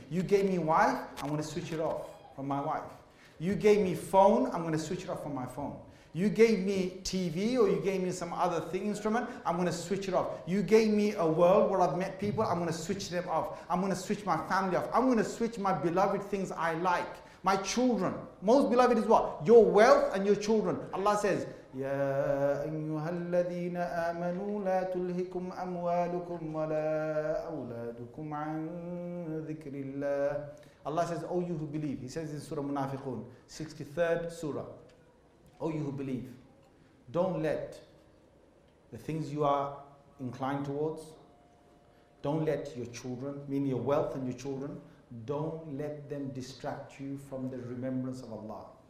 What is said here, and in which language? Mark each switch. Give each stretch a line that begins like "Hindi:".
English: You gave me wife, I'm going to switch it off from my wife. You gave me phone, I'm going to switch it off from my phone. You gave me TV or you gave me some other thing, instrument, I'm going to switch it off. You gave me a world where I've met people, I'm going to switch them off. I'm going to switch my family off. I'm going to switch my beloved things I like. My children. Most beloved is what? Your wealth and your children. Allah says,
Arabic: يَا أَيُّهَا الَّذِينَ آمَنُوا لَا تُلْهِكُمْ أَمْوَالُكُمْ وَلَا أَوْلَادُكُمْ عَنْ ذِكْرِ اللَّهِ.
English: Allah says, O you who believe, He says in Surah Munafiqun, 63rd Surah, O you who believe, don't let the things you are inclined towards, don't let your children, meaning your wealth and your children, don't let them distract you from the remembrance of Allah.